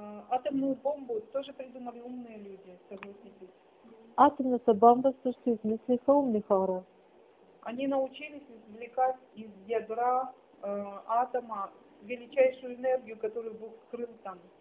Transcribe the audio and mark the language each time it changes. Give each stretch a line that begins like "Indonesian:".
Russian: Атомную бомбу тоже придумали умные люди, согласитесь.
Bulgarian: Атомната бомба също измислиха умни хора.
Russian: Они научились извлекать из ядра атома величайшую енергию, которую Бог скрыл там.